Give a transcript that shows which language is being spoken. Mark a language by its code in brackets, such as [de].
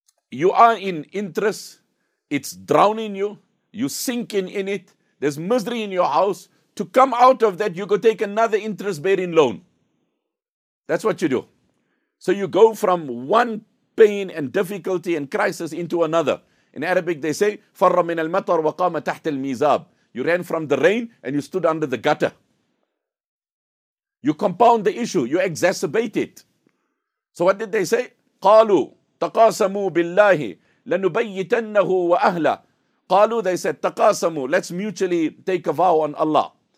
[en] You are in interest. It's drowning you. You're sinking in it. There's misery in your house. To come out of that, you go take another interest-bearing loan. That's what you do. So you go from one pain and difficulty and crisis into another. In Arabic, they say, [ar] فَرَّ مِنَ الْمَطَرْ وَقَامَ تَحْتَ الْمِيزَابِ. [en] You ran from the rain and you stood under the gutter. You compound the issue. You exacerbate it. So what did they say? [ar] قَالُوا تَقَاسَمُوا بِاللَّهِ لَنُبَيِّتَنَّهُ وَأَهْلَهُ. قَالُوا, [en] they said, [ar] تَقَاسَمُوا, [en] let's mutually take a vow on Allah.